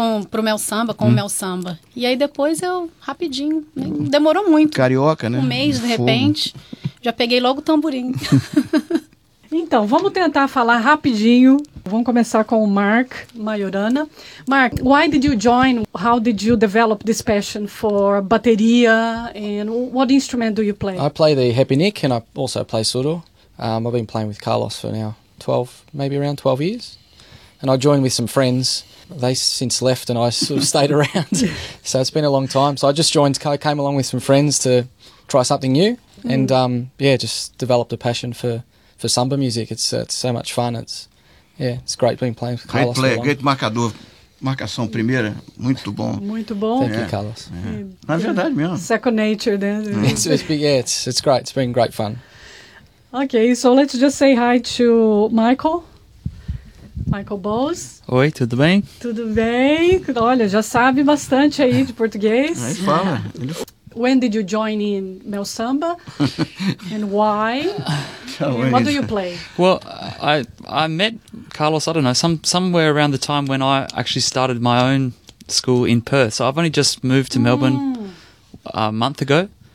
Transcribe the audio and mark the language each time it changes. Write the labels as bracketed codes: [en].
[pt] Pro Mel Samba, com o Mel Samba. E aí depois eu, rapidinho, demorou muito. Carioca, né? Um mês, de repente, já peguei logo o tamborim. Então, vamos tentar falar rapidinho Vamos começar com o Mark Majorana. [en] Mark, why did you join? How did you develop this passion for bateria? And what instrument do you play? I play the hepinik and I also play surdo. I've been playing with Carlos for now 12 years. And I joined with some friends. They since left and I sort of stayed around. So it's been a long time. So I just joined, I came along with some friends to try something new. And just developed a passion for samba music. It's so much fun. It's great being playing with Carlos. Great player, great marcador. [pt] Marcação primeira, muito bom. Muito bom. [en] Thank you, Carlos. [pt] Na verdade mesmo. [en] Second nature, né? It's great. It's been great fun. Okay, so let's just say hi to Michael. Michael Bowles. [pt] Oi, tudo bem? Tudo bem. Olha, já sabe bastante aí de português. Aí fala. [en] When did you join in Mel Samba and why? What do you play? Well, I met Carlos, I don't know, somewhere around the time when I actually started my own school in Perth. So I've only just moved to Melbourne a month ago.